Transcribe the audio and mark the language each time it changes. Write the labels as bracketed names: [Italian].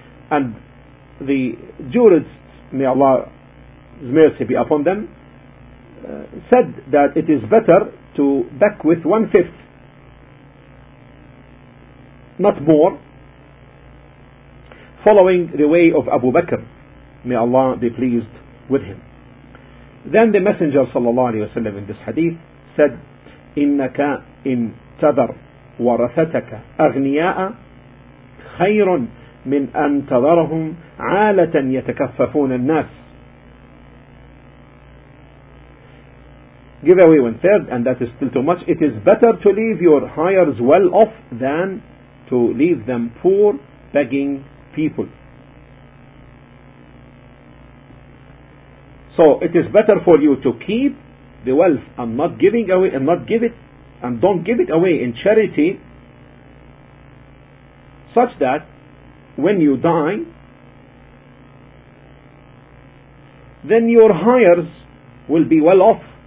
[English] And the jurists, may Allah's mercy be upon them, said that it is better to bequeath one-fifth, not more, following the way of Abu Bakr, may Allah be pleased with him. Then the Messenger sallallahu alayhi wa sallam in this hadith said, [Arabic] إِنَّكَ إِنْ تَذَرْ وَرَثَتَكَ أَغْنِيَاءَ خَيْرٌ مِنْ أَنْ تَذَرَهُمْ عَالَةً يَتَكَفَّفُونَ النَّاسِ. [English] Give away one third, and that is still too much. It is better to leave your hires well off than to leave them poor, begging people. So it is better for you to keep the wealth and not giving away and not give it and don't give it away in charity, such that when you die, then your hires will be well off.